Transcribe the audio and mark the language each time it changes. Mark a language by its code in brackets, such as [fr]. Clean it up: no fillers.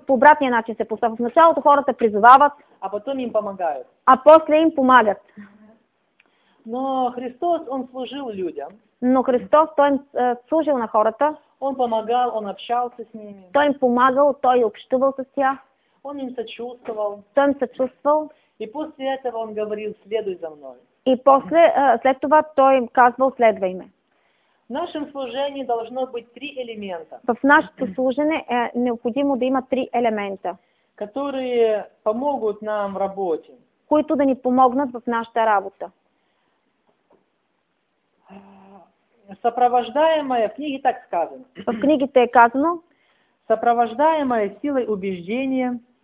[bg] по обратния начин се поставят. В началото хората призовават. [ru] А потом им помогают. [bg] А после им помагат. [ru] Но Христос, Он служил людям. [bg] Но Христос, Той им служил на хората. [ru] Он помогал, Он общался с ними. [bg] Той им помагал, Той общувал с тях. [ru] Он им сочувствовал. [bg] Той им сочувствал. [ru] И после этого он говорил: следуй за мной. [bg] И после, след това той им казвал: следвай ме. [ru] В нашем служении должно быть три элемента. [bg] В нашето служение е необходимо да има три елемента. [ru] Которые помогут нам в работе. [bg] Които да ни помогнат в нашата работа. [ru] Сопровождаемое, в книге так сказано. [bg] В книгите е казано. [ru] Сопровождаемое силой убеждения.